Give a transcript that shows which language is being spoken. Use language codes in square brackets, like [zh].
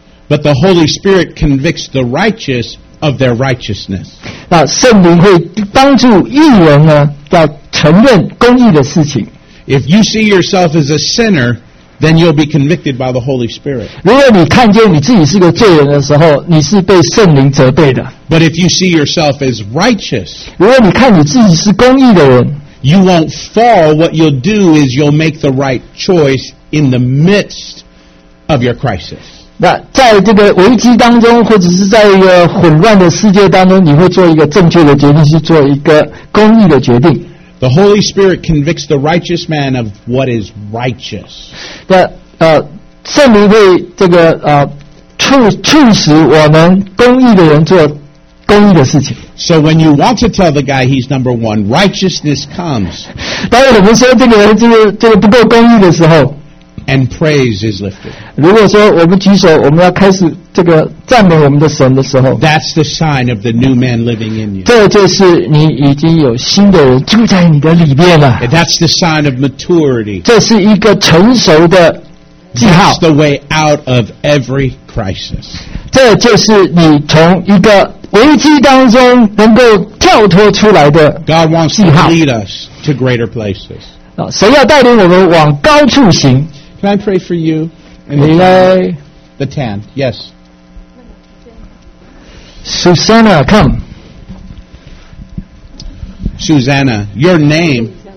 [en] But the Holy Spirit convicts the righteous of their righteousness. [zh] 那圣灵会帮助义人呢，要承认公义的事情。 [en] If you see yourself as a sinner, then you'll be convicted by the Holy Spirit. [zh] 如果你看见你自己是个罪人的时候，你是被圣灵责备的。 [en] But if you see yourself as righteous, [zh] 如果你看你自己是公义的人。 [en] You won't fall. What you'll do is you'll make the right choice in the midst of your crisis. [zh] 那在这个危机当中，或者是在一个混乱的世界当中，你会做一个正确的决定，是做一个公义的决定。 [en] The Holy Spirit convicts the righteous man of what is righteous. [zh] 那圣灵会这个促使我们公义的人做。 [en] So when you want to tell the guy he's number one, righteousness comes. [zh] 当我们说这个不够公义的时候， [en] and praise is lifted. [zh] 如果说我们举手，我们要开始这个赞美我们的神的时候， [en] that's the sign of the new man living in you. [zh] 这就是你已经有新的人住在你的里面了。 [en] And that's the sign of maturity. [zh] 这是一个成熟的记号。 [en] That's the way out of every crisis. [zh] 这就是你从一个危机当中能够跳脱出来的记号。 [en] God wants to lead us to greater places. [zh] 神要带领我们往高处行。 [en] Can I pray for you? And may I? The tan, yes. Susanna, come. Susanna, your name.